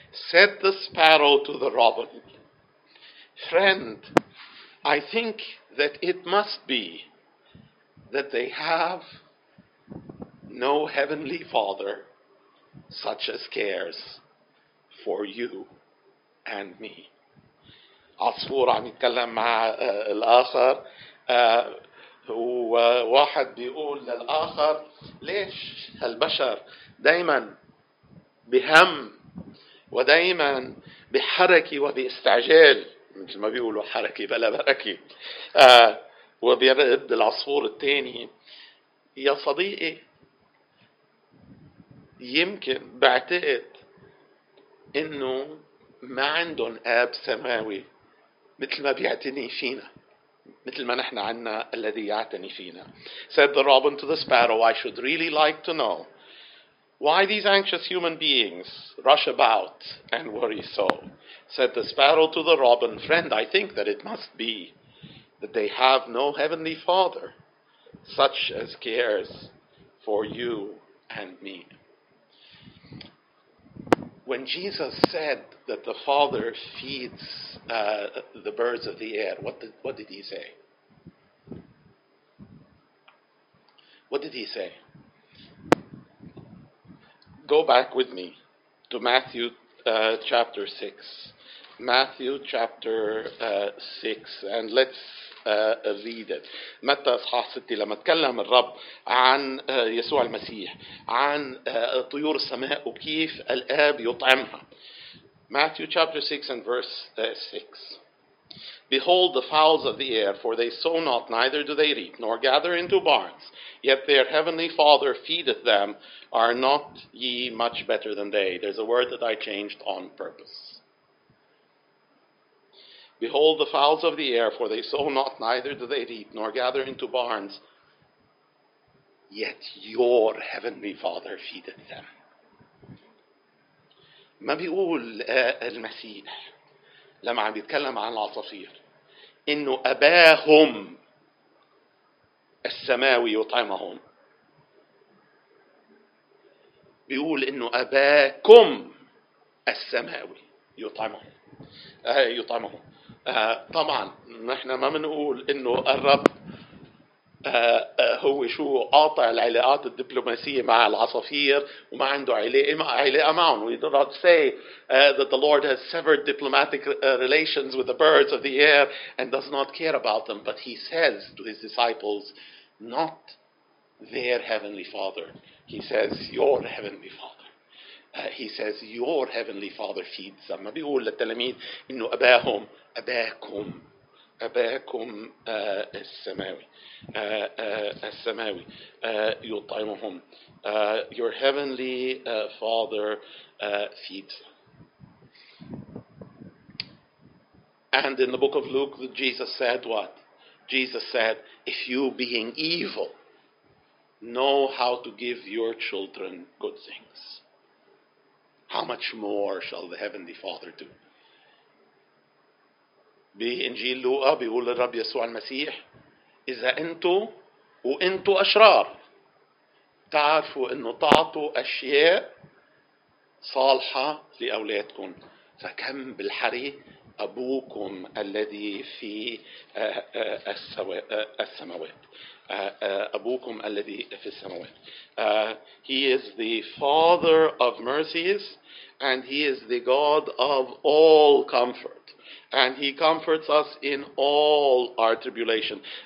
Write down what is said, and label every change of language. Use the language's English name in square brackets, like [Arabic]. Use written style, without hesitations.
[English] Said the sparrow to the robin, Friend, I think that it must be that they have no heavenly father such as cares for you and me. [Arabic] عصفور عم يتكلم مع الآخر وواحد بيقول للآخر ليش هالبشر دايما بهم ودايما بحركة وباستعجال مثل ما بيقولوا حركة بلا بركة وبيرد العصفور الثاني يا صديقي يمكن بعتقد انه ما عندهم آب سماوي مثل ما بيعتني فينا مثل ما نحن عنا الذي يعتني فينا. [English] Said the robin to the sparrow, I should really like to know why these anxious human beings rush about and worry so. Said the sparrow to the robin, Friend, I think that it must be that they have no heavenly father such as cares for you and me. When Jesus said that the Father feeds the birds of the air, what did he say? Go back with me to Matthew chapter 6. Matthew chapter 6, and let's read it. [Arabic] متى أصحاح 6 لما تكلم الرب عن يسوع المسيح عن طيور السماء وكيف الآب يطعمها. [English] Matthew chapter 6 and verse 6. Behold the fowls of the air, for they sow not, neither do they reap, nor gather into barns. Yet their heavenly Father feedeth them. Are not ye much better than they? There's a word that I changed on purpose. Behold the fowls of the air, for they sow not, neither do they reap, nor gather into barns. Yet your heavenly Father feedeth them. [Arabic] ما بيقول المسيح لما عم يتكلم عن العصافير إنه أباهم السماوي يطعمهم. بيقول إنه أباكم السماوي يطعمهم. يطعمهم. طبعا نحن ما منقول إنه الرب هو شو قاطع العلاقات الدبلوماسية مع العصافير وما عنده علاقة معهم. [English] We do not say that the Lord has severed diplomatic relations with the birds of the air and does not care about them. But he says to his disciples, not their heavenly father. He says, your heavenly father. He says, your heavenly Father feeds them. [Arabic] ما بيقول للتلاميذ إنه أباهم أباكم أباكم السماوي السماوي يطعمهم. [English] Your heavenly Father feeds them. And in the book of Luke, Jesus said what? Jesus said, if you being evil, know how to give your children good things, how much more shall the Heavenly Father do? [Arabic] بإنجيل لوقا بيقول الرب يسوع المسيح إذا أنتوا وأنتوا أشرار تعرفوا أنه تعطوا أشياء صالحة لأولادكم فكم بالحري أبوكم الذي في السماوات أبوكم الذي في السماوات. [English] He is the Father of mercies and He is the God of all comfort and He comforts us in all our tribulation.